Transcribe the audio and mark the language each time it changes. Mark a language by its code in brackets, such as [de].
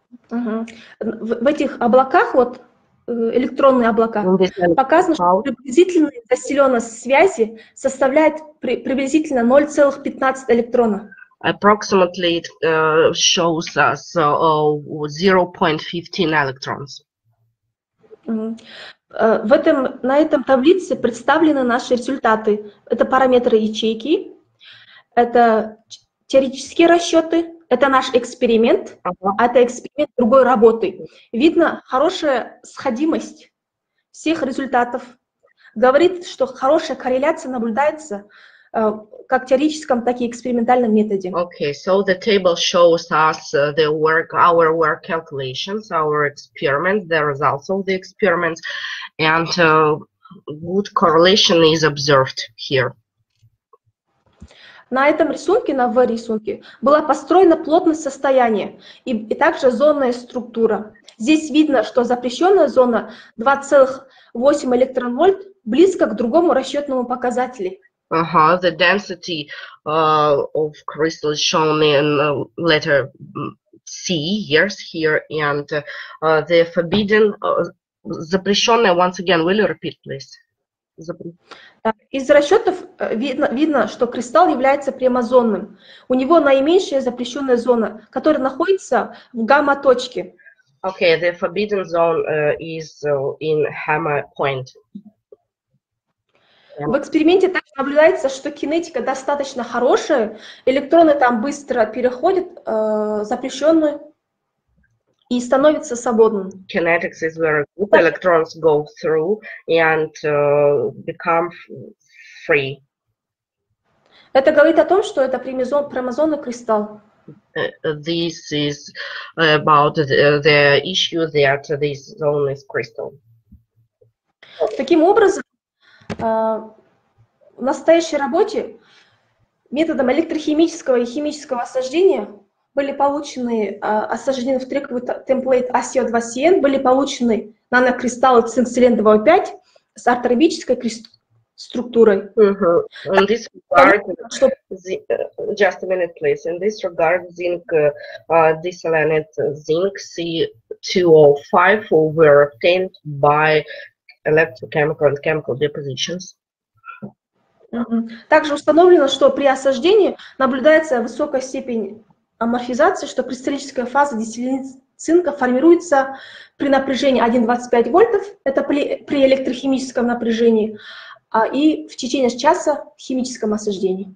[ru] В этих облаках, вот электронные облака, показано, что приблизительная заселенность связи составляет приблизительно 0,15 электрона. [en] Approximately it shows us 0.15 electrons. [ru] На этом таблице представлены наши результаты. Это параметры ячейки, это теоретические расчеты, это наш эксперимент, а это эксперимент другой работы. Видно хорошая сходимость всех результатов. Говорит, что хорошая корреляция наблюдается как в теоретическом, так и экспериментальном методе. [en] Okay, so the table shows us the work, our work calculations, our experiments, the results of the experiments, and good correlation is observed here. [ru] На этом рисунке, на В-рисунке, была построена плотность состояния и также зонная структура. Здесь видно, что запрещенная зона 2,8 электронвольт близко к другому расчетному показателю. [en] The density of crystal shown in letter C, yes, here, and the forbidden, запрещенная, once again, will you repeat, please? [ru] Из расчетов видно, что кристалл является прямозонным. У него наименьшая запрещенная зона, которая находится в гамма-точке. [en] Okay, the forbidden zone is in hammer point. [ru] В эксперименте также наблюдается, что кинетика достаточно хорошая, электроны там быстро переходят запрещенную и становятся свободным. [en] Kinetics is very good, electrons go through and become free. [ru] Это говорит о том, что это прямозонный кристалл. [en] This is about the issue that this zone is crystal. [ru] Таким образом, В настоящей работе методом электрохимического и химического осаждения были получены осаждения в трековый темплейт АСИО-2СН, были получены нанокристаллы цинк-селен-2О5 с артробической структурой. [en] Mm-hmm. In this regard, just a minute, please. In this regard, zinc, diselenate zinc C2O5 were obtained by electrochemical and chemical depositions. [ru] Также установлено, что при осаждении наблюдается высокая степень аморфизации, что кристаллическая фаза диселенцинка формируется при напряжении 1,25 вольтов, это при электрохимическом напряжении, и в течение часа в химическом осаждении.